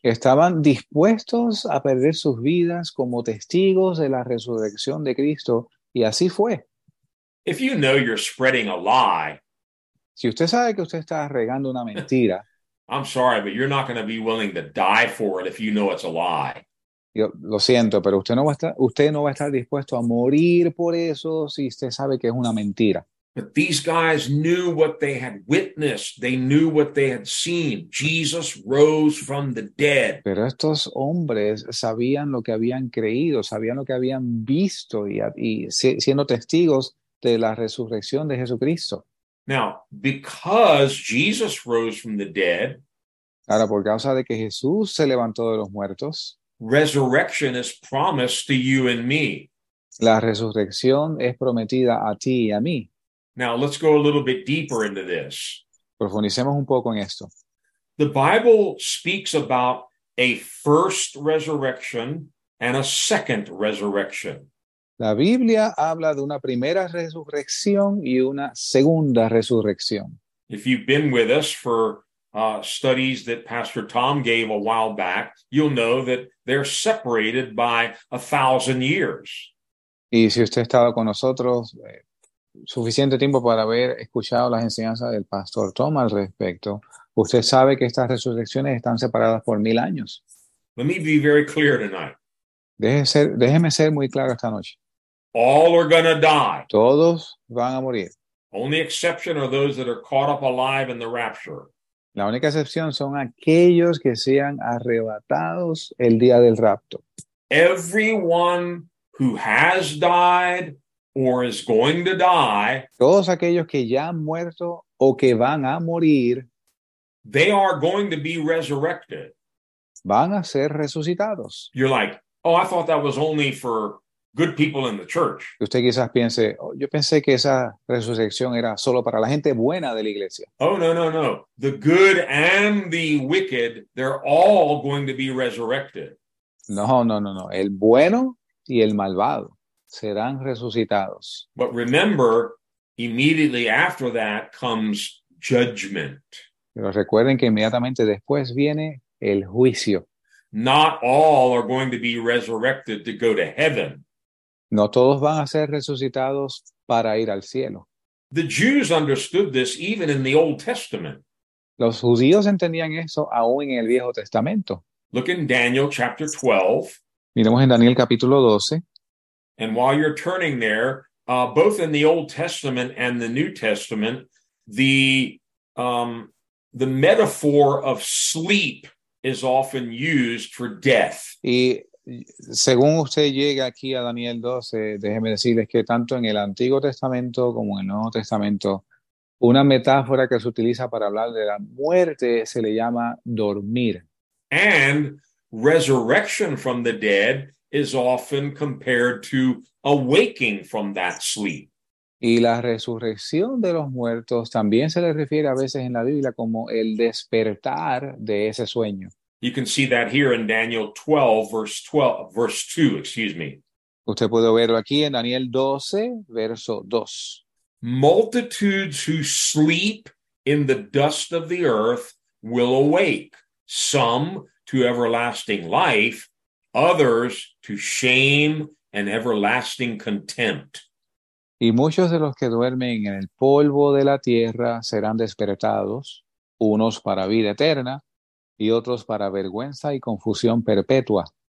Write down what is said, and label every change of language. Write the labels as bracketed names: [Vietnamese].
[Spanish] Estaban dispuestos a perder sus vidas como testigos de la resurrección de Cristo, y así fue. [English] If you know you're spreading a lie, [Spanish] si usted sabe que usted está regando una mentira, [English] I'm sorry, but you're not going to be willing to die for it if you know it's a lie. [Spanish] Yo lo siento, pero usted no va a estar dispuesto a morir por eso si usted sabe que es una mentira. [English] But these guys knew what they had witnessed. They knew what they had seen. Jesus rose from the dead. [Spanish] Pero estos hombres sabían lo que habían creído, sabían lo que habían visto y siendo testigos de la resurrección de Jesucristo. [English] Now, because Jesus rose from the dead, [Spanish] ahora por causa de que Jesús se levantó de los muertos, [English] resurrection is promised to you and me. [Spanish] La resurrección es prometida a ti y a mí. [English] Now, let's go a little bit deeper into this. [Spanish] Profundicemos un poco en esto. [English] The Bible speaks about a first resurrection and a second resurrection. [Spanish] La Biblia habla de una primera resurrección y una segunda resurrección. [English] If you've been with us for studies that Pastor Tom gave a while back, you'll know that they're separated by 1,000 years. [Spanish] Y si usted ha estado con nosotros suficiente tiempo para haber escuchado las enseñanzas del Pastor Tom al respecto, usted sabe que estas resurrecciones están separadas por 1,000 años. [English] Let me be very clear tonight. [Spanish] Déjeme ser muy claro esta noche. [English] All are going to die. [Spanish] Todos van a morir. [English] Only exception are those that are caught up alive in the rapture. [Spanish] La única excepción son aquellos que sean arrebatados el día del rapto. [English] Everyone who has died or is going to die. [Spanish] Todos aquellos que ya han muerto o que van a morir. [English] They are going to be resurrected. [Spanish] Van a ser resucitados. [English] You're like, oh, I thought that was only for good people in the church. [Spanish] Usted quizás piense, oh, yo pensé que esa resurrección era solo para la gente buena de la iglesia. [English] Oh, no, no, no. The good and the wicked, they're all going to be resurrected. [Spanish] No, no, no, no. El bueno y el malvado serán resucitados. [English] But remember, immediately after that comes judgment. [Spanish] Pero recuerden que inmediatamente después viene el juicio. [English] Not all are going to be resurrected to go to heaven. [Spanish] No todos van a ser resucitados para ir al cielo. [English] The Jews understood this even in the Old Testament. [Spanish] Los judíos entendían eso aún en el Viejo Testamento. [English] Look in Daniel chapter 12. [Spanish] Miremos en Daniel capítulo 12. [English] And while you're turning there, both in the Old Testament and the New Testament, the metaphor of sleep is often used for death. [Spanish] Según usted llega aquí a Daniel 12, déjeme decirles que tanto en el Antiguo Testamento como en el Nuevo Testamento, una metáfora que se utiliza para hablar de la muerte se le llama dormir. [English] And resurrection from the dead is often compared to awaking from that sleep. [Spanish] Y la resurrección de los muertos también se le refiere a veces en la Biblia como el despertar de ese sueño. [English] You can see that here in Daniel 12, verse 2. [Spanish] Usted puede verlo aquí en Daniel 12, verso 2. [English] Multitudes who sleep in the dust of the earth will awake, some to everlasting life, others to shame and everlasting contempt. [Spanish] Y muchos de los que duermen en el polvo de la tierra serán despertados, unos para vida eterna y otros para vergüenza y confusión perpetua.